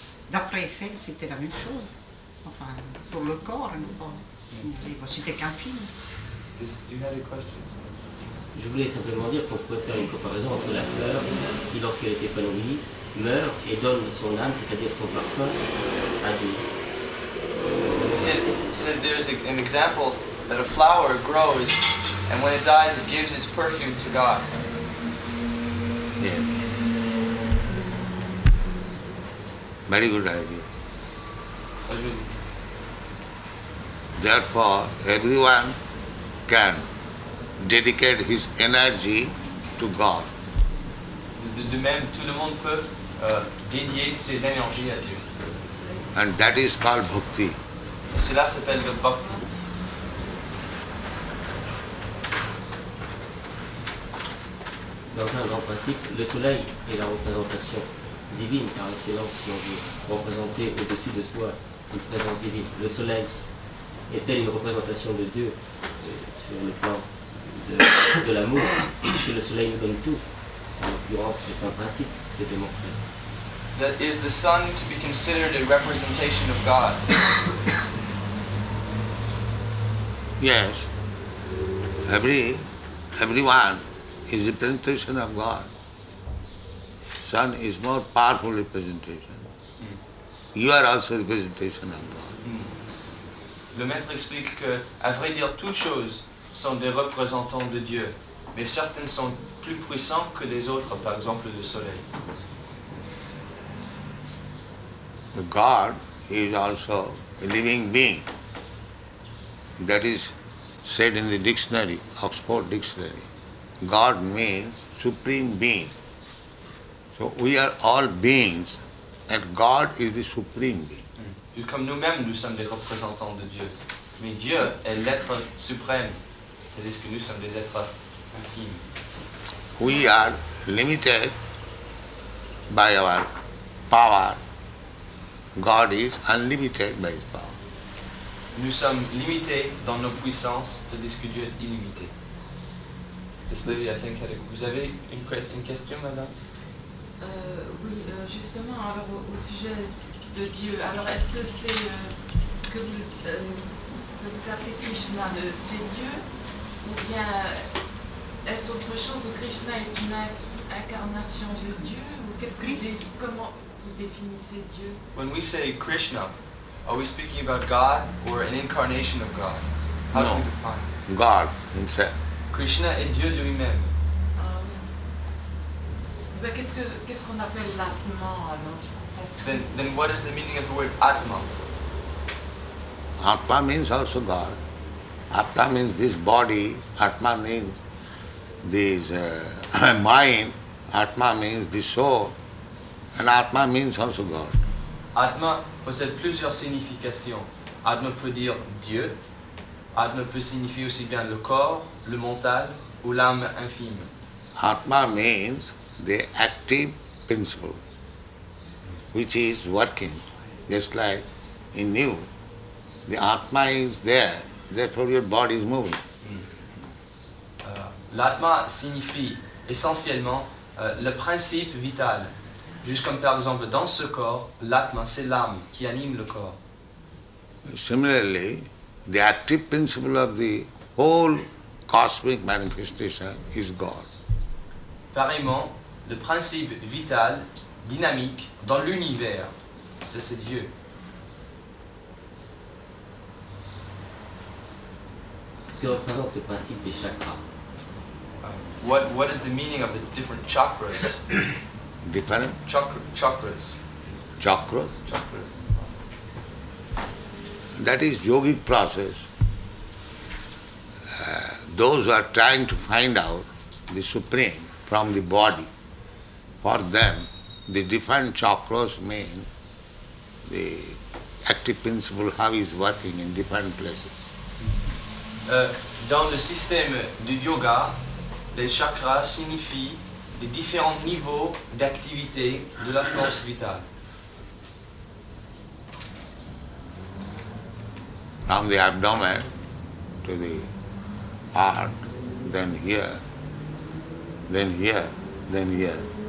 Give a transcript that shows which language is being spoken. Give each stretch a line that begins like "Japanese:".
French: D'après Effet, c'était la même chose. Enfin, pour le corps, c'était qu'un film. Je voulais simplement dire qu'on pourrait faire une comparaison entre la fleur qui, lorsqu'elle est épanouie, meurt et donne son âme, c'est-à-dire son parfum, à Dieu.
English: C'est there's an example that a flower grows and when it dies, it gives its perfume to God. Yeah. Very good idea. Therefore, everyone can dedicate his energy to God.
French: De même, tout le monde peut dédier ses énergies à Dieu.
English: And that is called bhakti.
French: Et cela s'appelle le bhakti. Dans un grand principe, le soleil est la représentation divine par excellence, si on veut représenter au-dessus de soi une présence divine. Le soleil est-elle une représentation de Dieu sur le plan de l'amour, puisque le soleil nous donne tout. En l'occurrence, c'est un principe qui est démontré.
English: Is the sun to be considered a representation of God? Yes. Everyone is a representation of God. Sun is more powerful representation. You are also a representation of God.
French: Le maître explique que, à vrai dire, toutes choses sont des représentants de Dieu, mais certaines sont plus puissantes que les autres, par exemple le soleil.
English: The God is also a living being. That is said in the dictionary, Oxford Dictionary. God means supreme being. So we are all beings, and God is the supreme being.
French: Comme nous-mêmes, nous sommes des représentants de Dieu. Mais Dieu est l'être suprême. C'est-à-dire que nous sommes des êtres infimes.
English: We are limited by our power. God is unlimited by his power.
French: Nous sommes limités dans nos puissances, c'est-à-dire que Dieu est illimité.
English: This lady, I think, had a,
French: vous avez une question, madame? Oui, justement, alors au sujet de Dieu. Alors, est-ce que c'est que vous appelez Krishna, c'est Dieu, ou bien est-ce autre chose, ou Krishna est une incarnation de Dieu, ou qu'est-ce que comment vous définissez Dieu?
English: When we say Krishna, are we speaking about God or an incarnation of God? How do you define? God himself.
French: Krishna est Dieu lui-même. Ben, qu'est-ce qu'on appelle l'atman alors?
English: Then what is the meaning of the word Atma? Atma means also God. Atma means this body. Atma means this mind. Atma means the soul. And Atma means also God.
French: Atma possède plusieurs significations. Atma peut dire Dieu. Atma peut signifier aussi bien le corps, le mental ou l'âme infime.
English: Atma means the active principle, which is working, just like in you. The Atma is there, therefore your body is moving.
French: L'Atma signifie essentiellement le principe vital. Juste comme par exemple dans ce corps, l'Atma c'est l'âme qui anime le corps.
English: Similarly, the active principle of the whole cosmic manifestation is God.
French: Pareillement, le principe vital dynamique dans l'univers, c'est Dieu. Que représente le principe des chakras?
English: What is the meaning of the different chakras? Different chakras. Chakra. Chakras. That is yogic process. Those who are trying to find out the Supreme from the body, for them, the different chakras mean the active principle, how it's working in different places.
French: Dans le système du yoga, les chakras signifient des différents niveaux d'activité de la force vitale.
English: From the abdomen to the heart, then here, then here, then here.